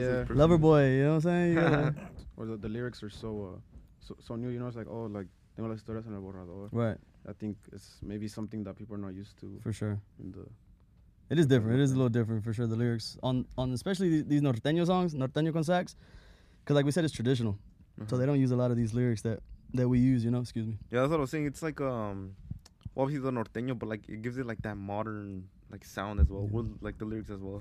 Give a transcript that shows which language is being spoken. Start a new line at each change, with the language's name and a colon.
English: Lover boy, you know what I'm saying? Yeah. Or the lyrics are so new, you know. It's like, oh, like
Spanish: tengo las historias en el borrador.
English: Right. I think it's maybe something that people are not used to. For sure. It is different. It is a little different for sure. The lyrics on especially these norteño songs, norteño con sax, because like we said, it's traditional, so they don't use a lot of these lyrics that we use. You know, excuse me. Yeah, that's what I was saying. It's like obviously the norteño, but like it gives it like that modern like sound as well, with like the lyrics as well.